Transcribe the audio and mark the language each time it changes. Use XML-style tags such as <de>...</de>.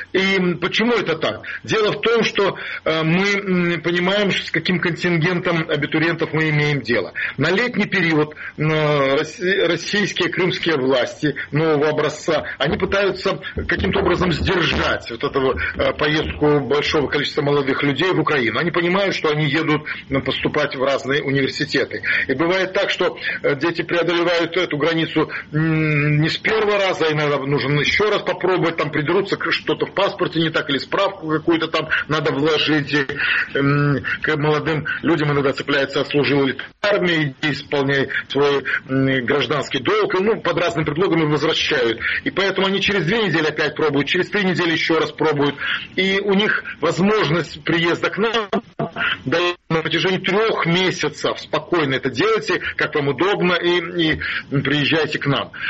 <ru>И почему это так? Дело в том, что мы понимаем, с каким контингентом абитуриентов мы имеем дело. На летний период российские, крымские власти нового образца, они пытаются каким-то образом сдержать вот эту поездку большого количества молодых людей в Украину. Они понимают, что они едут поступать поступать в разные університети.</ru> <uk>І буває так, що діти преодолевають цю границу не з першого разу, а іноді потрібно ще раз спробувати, там придерутся щось в паспорті не так,</uk> <ru>или справку какую-то там надо вложить. К молодым людям иногда цепляется, служил ли в армии, исполняй свой гражданский долг, ну, под разным предлогом возвращают. И поэтому они через 2 недели опять пробуют, через 3 недели еще раз пробуют. И у них возможность приезда к нам на протяжении 3 месяцев спокойно это делайте, как вам удобно, и приезжайте к нам.</ru>